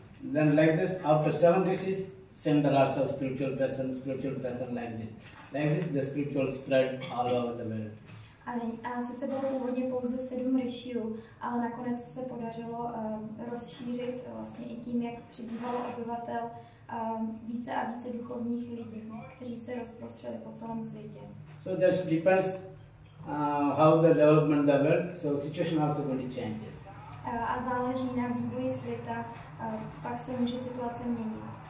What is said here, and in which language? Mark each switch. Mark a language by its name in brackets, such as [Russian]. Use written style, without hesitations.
[English] Then like this, after 7 Rishis, send the lots of spiritual person like this. Like this, the spiritual spread all over the world. [Czech] A sice bylo původně pouze 7 rishiů, ale nakonec se podařilo rozšířit vlastně i tím, jak přibývalo obyvatel více a více duchovních lidí, kteří se rozprostřeli po celém světě. [English] So that depends how the development of the world, so situation also really changes. [Czech] A záleží na vývoji světa, pak se může situace měnit.